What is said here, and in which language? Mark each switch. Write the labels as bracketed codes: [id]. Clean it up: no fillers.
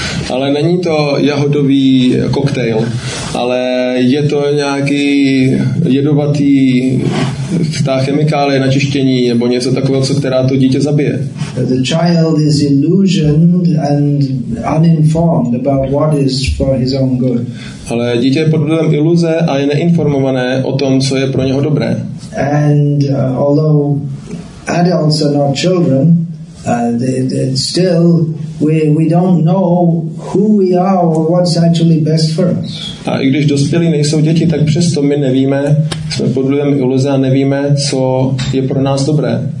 [cs] Ale není to jahodový koktejl, ale je to nějaký jedovatý ta chemikálie na čištění nebo něco takového, co která to dítě zabije. [en] The child is illusioned and uninformed about what is for his own good. [cs] Ale dítě je pod vlivem iluze a je neinformované o tom, co je pro něho dobré. [en] And although adults are not children, still we don't know who we are or what's actually best for us. [cs] A i když dospělí nejsou děti, tak přesto my nevíme, jsme pod vlivem iluze a nevíme, co je pro nás dobré.